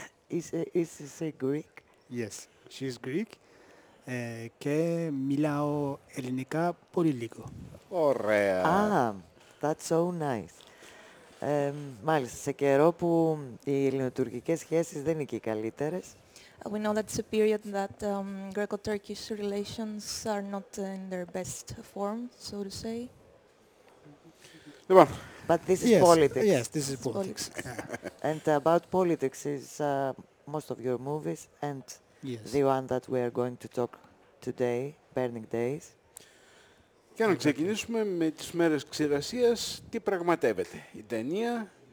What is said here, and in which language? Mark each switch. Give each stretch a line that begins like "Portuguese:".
English: Is she Greek? Yes, she is Greek.
Greek: Και μιλάω ελληνικά πολύ λίγο. Ωραία.
English: Ah, that's so nice.
Greek: Μάλιστα, σε καιρό που οι ελληνοτουρκικές σχέσεις δεν είναι και οι καλύτερες.
English: We know that's a period that Greco-Turkish relations are not in their best form, so to say. But this is yes. politics. Yes, this is politics. And about politics is most of your movies and yes. the one that we are going to talk today, Burning Days.
Greek: Και να ξεκινήσουμε με τις μέρες ξηρασίας, τι πραγματεύεται η ταινία.